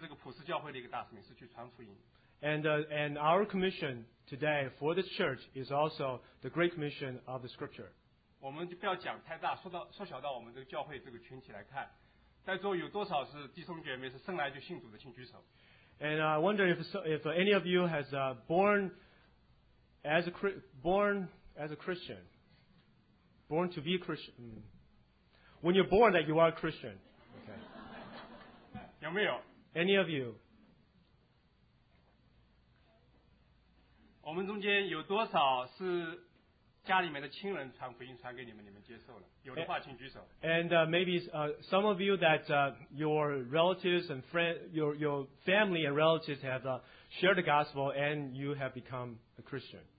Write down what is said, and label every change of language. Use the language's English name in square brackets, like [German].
[Chinese] 这个里面讲得很好。今天我们这个教会的一个大使命，也是这个普世教会的一个大使命，是去传福音。And [English] and our commission today for this church is also the great commission of the Scripture. [Chinese] 我们就不要讲太大，缩小到我们这个教会这个群体来看，在座有多少是弟兄姐妹是生来就信主的，请举手。 [English] And I wonder if any of you has born to be a Christian. When you're born, that you are a Christian. Okay. [Chinese] 有没有 [English] ？Any of you？ [Chinese] 我们中间有多少是？家里面的亲人传福音传给你们，你们接受了。有的话请举手。 [English] And maybe some of you that your relatives and friend, your family and relatives have shared the gospel and you have become a Christian.